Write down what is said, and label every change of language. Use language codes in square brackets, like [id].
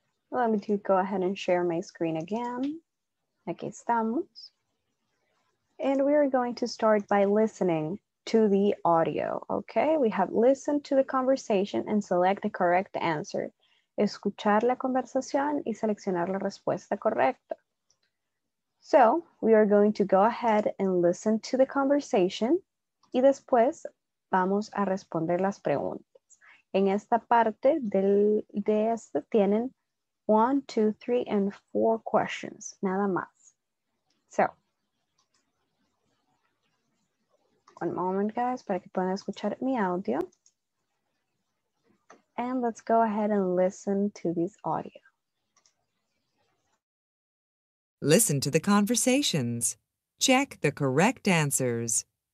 [en] Let me do go ahead and share my screen again. [es] Aquí estamos. [en] And we are going to start by listening to the audio, okay? We have listened to the conversation and select the correct answer. [es] Escuchar la conversación y seleccionar la respuesta correcta. [en] So we are going to go ahead and listen to the conversation [es] y después vamos a responder las preguntas. En esta parte de esta tienen 1, 2, 3, [en] and 4 questions, [es] nada más. [en] So, one moment, guys, [es] para que puedan escuchar mi audio. [en] And let's go ahead and listen to this audio. Listen to the conversations. Check the correct answers.